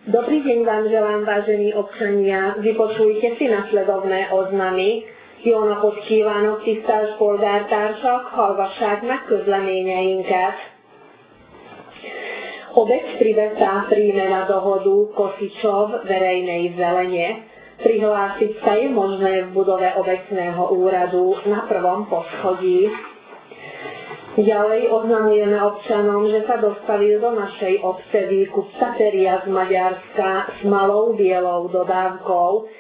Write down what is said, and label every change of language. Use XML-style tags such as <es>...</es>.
<sk>Dobrý deň vám želám, vážení občania. Vypočujte si nasledovné oznamy.</sk> <hu>Jónapot kívánok, tisztelt polgártársak, hallgassák meg közleményeinket.</hu> <sk>Obec privetá príjme na dohodu Kosičov verejnej zelenie. Prihlásiť sa je možné v budove obecného úradu na prvom poschodí. Ďalej oznamujeme občanom, že sa dostavil do našej obce výkup Sateria z Maďarska s malou bielou dodávkou.</sk>